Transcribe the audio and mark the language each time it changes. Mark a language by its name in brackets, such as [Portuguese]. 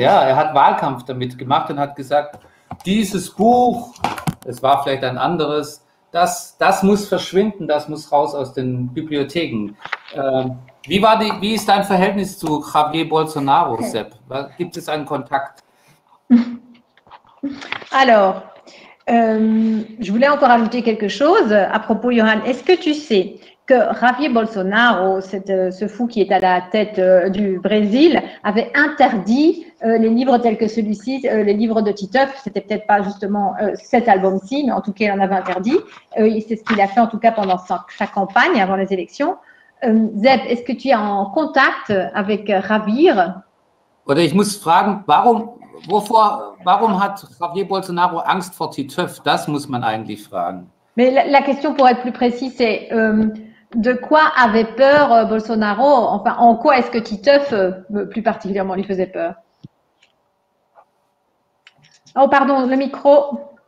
[German] Ja, er hat Wahlkampf damit gemacht und hat gesagt, dieses Buch, es war vielleicht ein anderes, das muss verschwinden, das muss raus aus den Bibliotheken. Wie ist dein Verhältnis zu Javier Bolsonaro, okay. Sepp? Gibt es einen Kontakt? [French] Alors, je voulais encore ajouter quelque chose à propos, Johann, est-ce que tu sais que Javier Bolsonaro, ce fou qui est à la tête du Brésil, avait interdit les livres tels que celui-ci, les livres de Titeuf. C'était peut-être pas justement cet album-ci, mais en tout cas, il en avait interdit. C'est ce qu'il a fait en tout cas pendant sa campagne, avant les élections. Zeb, est-ce que tu es en contact avec Javier? [German] Oder ich muss fragen, warum Wovor, warum hat Javier Bolsonaro Angst vor Titeuf? Das muss man eigentlich fragen. [French] Mais la question, pour être plus précis, c'est de quoi avait peur Bolsonaro? Enfin, en quoi est-ce que Titeuf, plus particulièrement, lui faisait peur? Oh, pardon, le micro.